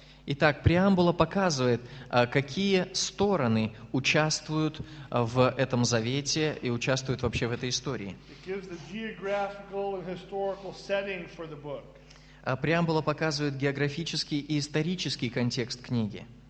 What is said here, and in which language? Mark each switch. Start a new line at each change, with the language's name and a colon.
Russian: Итак, преамбула показывает, какие стороны участвуют в этом завете и участвуют вообще в этой истории.
English: It gives the geographical and historical setting for the book.
Russian: Преамбула показывает географический и исторический контекст книги.